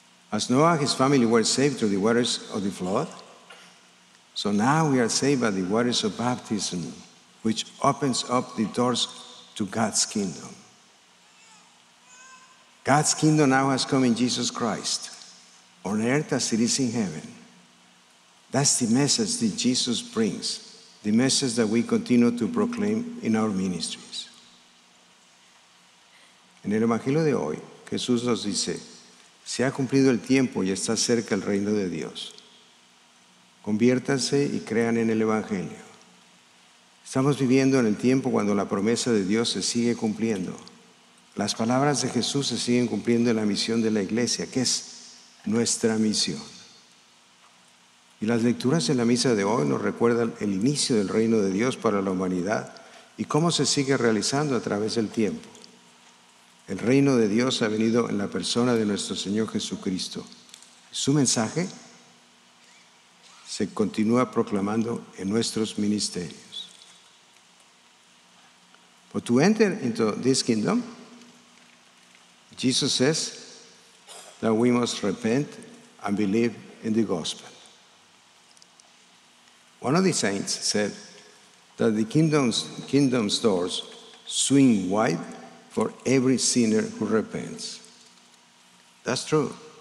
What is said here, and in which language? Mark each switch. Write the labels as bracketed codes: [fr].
[en] As Noah and his family were saved through the waters of the flood, so now we are saved by the waters of baptism, which opens up the doors to God's kingdom. God's kingdom now has come in Jesus Christ, on earth as it is in heaven. That's the message that Jesus brings, the message that we continue to proclaim in our ministries. [es] En el Evangelio de hoy, Jesús nos dice, se ha cumplido el tiempo y está cerca el reino de Dios. Conviértanse y crean en el Evangelio. Estamos viviendo en el tiempo cuando la promesa de Dios se sigue cumpliendo. Las palabras de Jesús se siguen cumpliendo en la misión de la Iglesia, que es nuestra misión. Y las lecturas en la misa de hoy nos recuerdan el inicio del reino de Dios para la humanidad y cómo se sigue realizando a través del tiempo. El reino de Dios ha venido en la persona de nuestro Señor Jesucristo. Su mensaje se continúa proclamando en nuestros ministerios. [en] But to enter into this kingdom, Jesus says that we must repent and believe in the gospel. One of the saints said that the kingdom's doors swing wide for every sinner who repents. That's true.